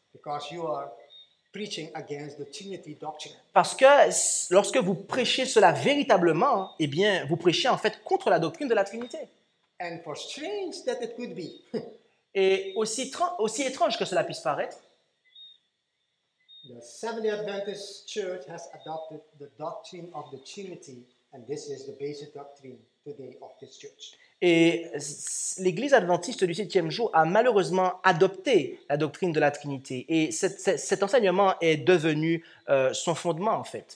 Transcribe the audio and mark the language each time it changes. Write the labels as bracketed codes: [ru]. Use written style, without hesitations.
[en] Because you are preaching against the Trinity doctrine. [fr] Parce que lorsque vous prêchez cela véritablement, eh bien, vous prêchez en fait contre la doctrine de la Trinité. [en] And for strange that it could be. [fr] Et aussi étrange que cela puisse paraître, [en] the Seventh-day Adventist Church has adopted the doctrine of the Trinity, and this is the basic doctrine today of this church. [fr] Et l'Église adventiste du septième jour a malheureusement adopté la doctrine de la Trinité. Et cet enseignement est devenu son fondement, en fait.